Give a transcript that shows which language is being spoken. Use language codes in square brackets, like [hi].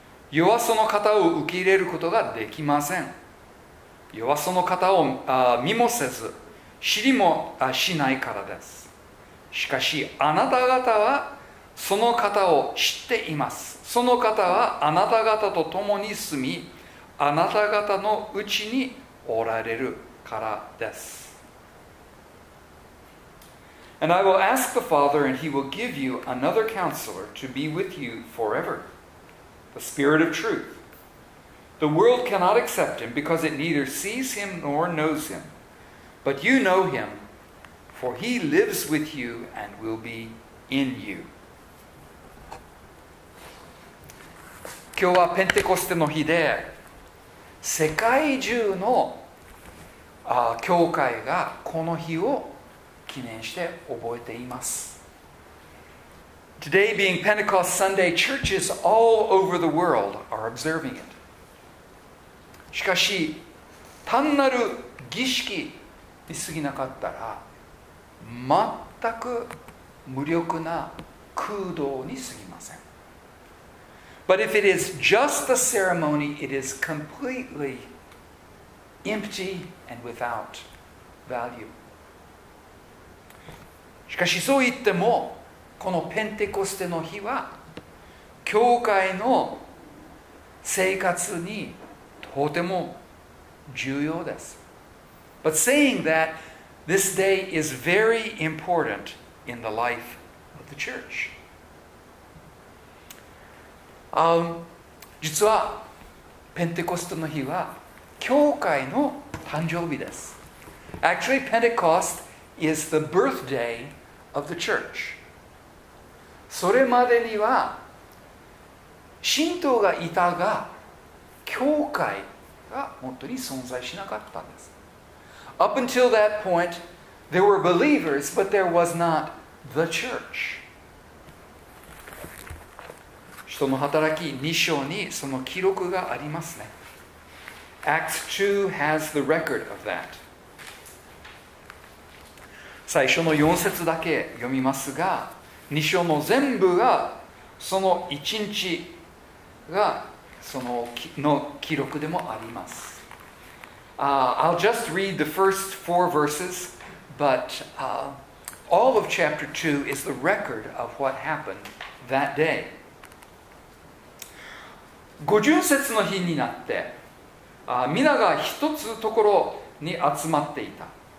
[ja] 世はその方を受け入れることができません。世はその方を見もせず知りもしないからです。しかしあなた方はその方を知っています。その方はあなた方と共に住み、あなた方のうちにおられるからです。 [en] And I will ask the Father, and he will give you another counselor to be with you forever, the Spirit of truth. The world cannot accept him because it neither sees him nor knows himBut you know him, for he lives with you and will be in you. [ja] 今日はペンテコステの日で、世界中の教会がこの日を記念して覚えています。 [en] Today being Pentecost Sunday, churches all over the world are observing it. [ja] しかし、単なる儀式に過ぎなかったら、全く無力な空洞に過ぎません。 [en] But if it is just a ceremony, it is completely empty and without value. [ja] しかしそう言っても、このペンテコステの日は、教会の生活にとても重要です。 [en] But saying that, this day is very important in the life of the church. [ja] 実はペンテコステの日は教会の誕生日です。 [en] Actually, Pentecost is the birthday of the church. [ja] それまでには神道がいたが、教会が本当に存在しなかったんです。 [en] Up until that point, there were believers, but there was not the church. [ja] 使徒の働き2章にその記録がありますね。 [en] Acts 2 has the record of that. [ja] 最初の4節だけ読みますが、2章の全部がその1日がその記録でもあります。 [en] I'll just read the first four verses, but all of chapter 2 is the record of what happened that day. [ja] 五旬節の日になって、皆が一つところに集まっていた。